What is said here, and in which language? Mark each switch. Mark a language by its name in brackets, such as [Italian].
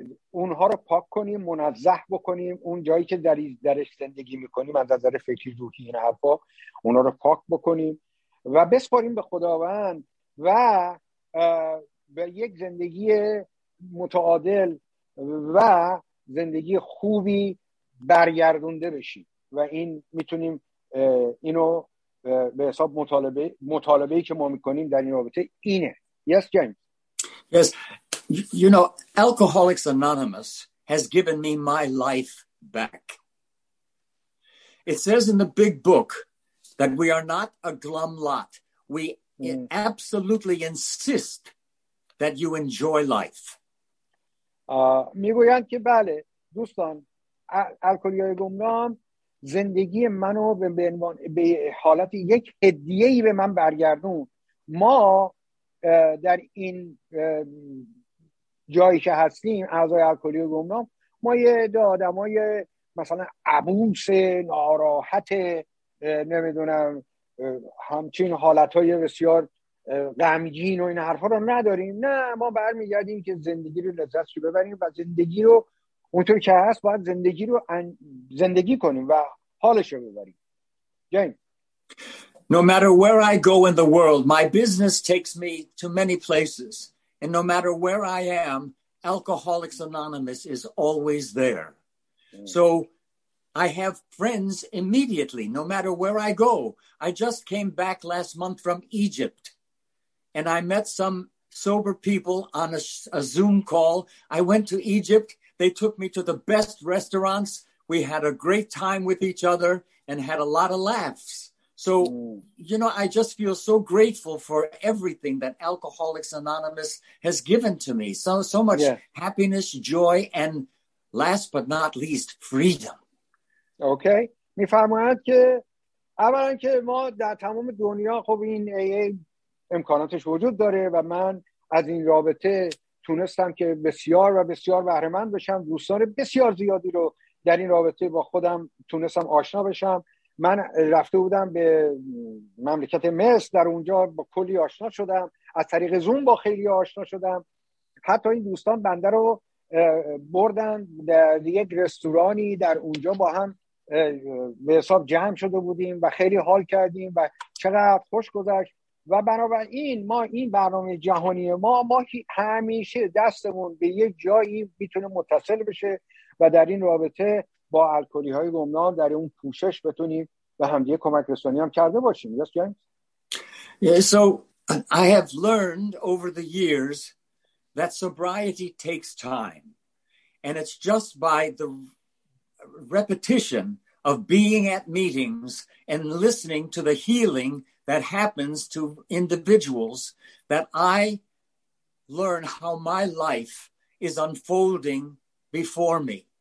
[Persian] اونها رو پاک کنیم، منزه بکنیم، اون جایی که درش زندگی میکنیم از نظر فکری روحی این حرفا، اونها رو پاک بکنیم و بسپاریم به خداوند و به یک زندگی متعادل و زندگی خوبی برگردونده بشیم و این میتونیم اینو به حساب مطالبه‌ای که ما میکنیم در این رابطه اینه. [English] Yes, James. Yes. You know, Alcoholics Anonymous has given me my life back. It says in the big book that we are not a glum lot. We absolutely insist that you enjoy life. [Persian] میگویند که بله دوستان، الکلی‌های گمنام زندگی منو به حالت یک هدیه‌ای به من برگردون. ما در این جایی که هستیم اعضای الکلی و گمنام، ما یه آدم های مثلا عبوس ناراحت، نمیدونم همچین حالت های بسیار غمگین و این حرف ها رو نداریم. نه، ما برمیگردیم که زندگی رو لذت رو ببریم و زندگی رو اونطور که هست باید زندگی رو زندگی کنیم و حالش رو ببریم. جیم: [English] No matter where I go in the world, my business takes me to many places. And no matter where I am, Alcoholics Anonymous is always there. So I have friends immediately, no matter where I go. I just came back last month from Egypt, and I met some sober people on a Zoom call. I went to Egypt. They took me to the best restaurants. We had a great time with each other and had a lot of laughs. So, you know, I just feel so grateful for everything that Alcoholics Anonymous has given to me. So much happiness, joy, and last but not least, freedom. Okay. [Persian] می فرماید که اولا که ما در تمام دنیا خب این AA امکاناتش وجود داره و من از این رابطه تونستم که بسیار و بسیار بهره‌مند بشم. دوستان بسیار زیادی رو در این رابطه با خودم تونستم آشنا بشم. من رفته بودم به مملکت مصر، در اونجا با کلی آشنا شدم، از طریق زوم با خیلی آشنا شدم. حتی این دوستان بنده رو بردن در یک رستورانی، در اونجا با هم به حساب جمع شده بودیم و خیلی حال کردیم و چقدر خوش گذشت. و بنابراین ما این برنامه جهانی ما همیشه دستمون به یک جایی میتونه متصل بشه و در این رابطه با الکلی های گمنام در اون پوشش بتونیم و همدیگه کمک رسانی هم کرده باشیم. [English] Yes, James? Yeah, so I have learned over the years that sobriety takes time and it's just by the repetition of being at meetings and listening to the healing that happens to individuals that I learn how my life is unfolding before me.